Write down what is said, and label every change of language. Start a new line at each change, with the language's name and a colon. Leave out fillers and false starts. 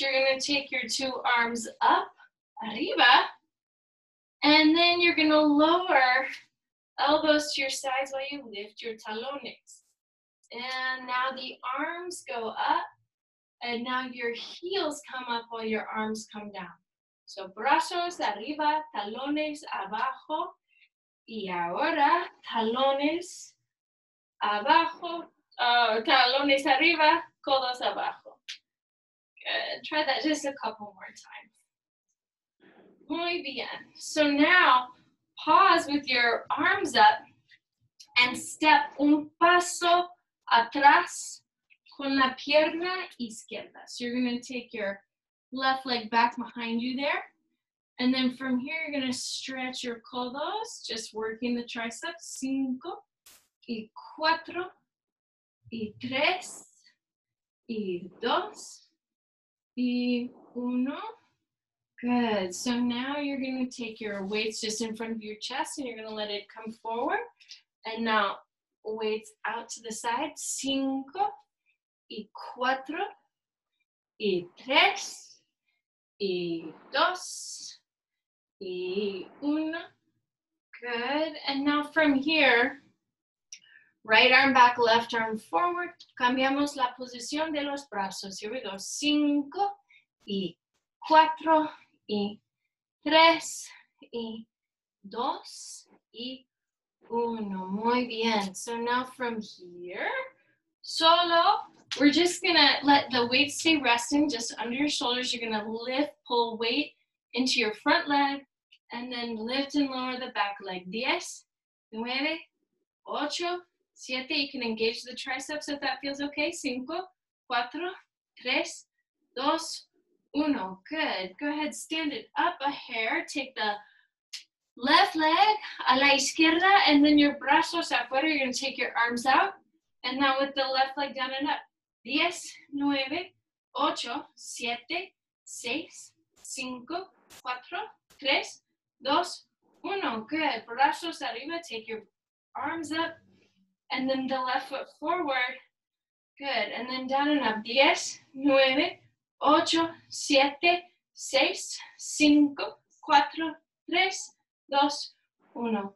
English: You're going to take your two arms up, arriba, and then you're going to lower elbows to your sides while you lift your talones. And now the arms go up, and now your heels come up while your arms come down.
Spanish: So brazos arriba, talones abajo, y ahora talones abajo, talones arriba, codos abajo.
English: Good. Try that just a couple more times.
Spanish: Muy bien.
English: So now, pause with your arms up and step
Spanish: un paso atrás con la pierna izquierda.
English: So you're going to take your left leg back behind you there. And then from here, you're going to stretch your codos, just working the triceps.
Spanish: Cinco y cuatro y tres y dos y uno.
English: Good. So now you're going to take your weights just in front of your chest and you're going to let it come forward. And now weights out to the side.
Spanish: Cinco y cuatro y tres y dos y uno.
English: Good. And now from here, right arm back, left arm forward.
Spanish: Cambiamos la posición de los brazos.
English: Here we go.
Spanish: Cinco y cuatro. Y tres, y dos, y uno. Muy bien.
English: So now from here, solo, we're just going to let the weight stay resting just under your shoulders. You're going to lift, pull weight into your front leg, and then lift and lower the back leg.
Spanish: Diez, nueve, ocho, siete.
English: You can engage the triceps if that feels okay.
Spanish: Cinco, cuatro, tres, dos, uno,
English: good. Go ahead, stand it up a hair. Take the left leg
Spanish: a la izquierda
English: and then your
Spanish: brazos afuera.
English: You're gonna take your arms out. And now with the left leg down and up.
Spanish: Diez, nueve, ocho, siete, seis, cinco, cuatro, tres, dos, uno.
English: Good,
Spanish: brazos arriba,
English: take your arms up. And then the left foot forward. Good, and then down and up.
Spanish: Diez, nueve, ocho, siete, seis, cinco, cuatro, tres, dos, uno.